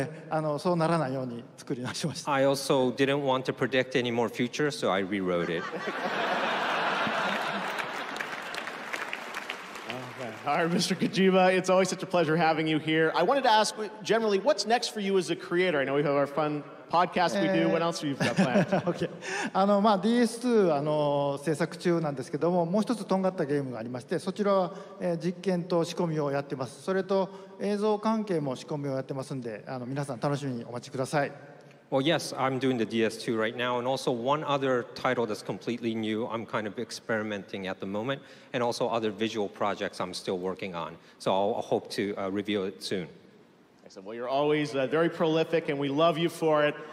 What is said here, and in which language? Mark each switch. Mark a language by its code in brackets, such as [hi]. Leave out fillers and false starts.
[en] I also didn't want to predict any more future, so I rewrote it. All right, Mr. Kojima, it's always such a pleasure having you here. I wanted to ask, generally, what's next for you as a creator? I know we have our fun podcast we do. What else have you got planned? Okay. [ja] まあ、DS2 制作中なんですけども、もう一つとんがったゲームがありまして、そちらは、実験と仕込みをやってます。それと映像関係も仕込みをやってますんで、皆さん楽しみにお待ちください。 [en] Well, yes, I'm doing the DS2 right now, and also one other title that's completely new. I'm kind of experimenting at the moment, and also other visual projects I'm still working on. So I'll hope to reveal it soon. Excellent. Well, you're always very prolific, and we love you for it.